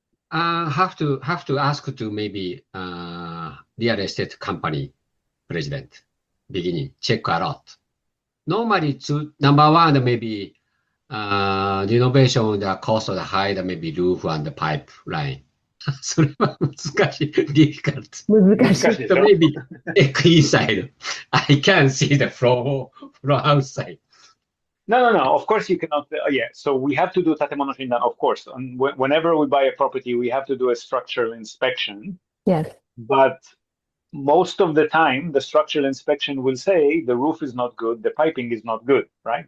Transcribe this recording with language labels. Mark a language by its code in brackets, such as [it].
[en] Have to ask to maybe real estate company president beginning, check out. Normally, number one, maybe renovation, the cost of the height, maybe roof and the pipe line. [ja] それは難しい、difficult。難しい。 [en] Maybe inside, I can see the floor outside. No. Of course, you cannot. Yeah. So we have to do tatemono shindan, of course. And whenever we buy a property, we have to do a structural inspection. Yes. But most of the time, the structural inspection will say the roof is not good, the piping is not good, right?